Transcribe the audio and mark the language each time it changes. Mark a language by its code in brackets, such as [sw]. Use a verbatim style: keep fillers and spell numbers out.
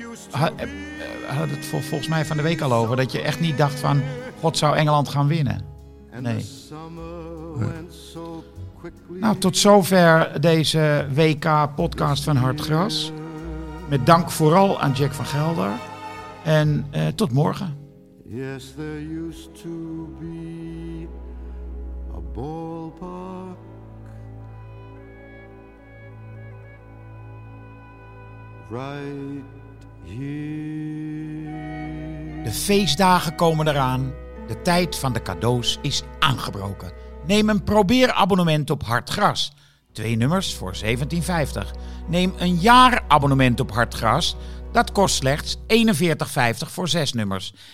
[nl] Had, uh, had het volgens mij van de week al over. Dat je echt niet dacht van, God zou Engeland gaan winnen. Nee. nee. Nou, tot zover deze W K-podcast van Hartgras. Met dank vooral aan Jack van Gelder. En uh, tot morgen. [en] Yes, there used to be a ballpark right here. [nl] De feestdagen komen eraan. De tijd van de cadeaus is aangebroken. Neem een probeerabonnement op Hartgras. Twee nummers voor zeventien vijftig. Neem een jaarabonnement op Hartgras. Dat kost slechts eenenveertig vijftig voor zes nummers.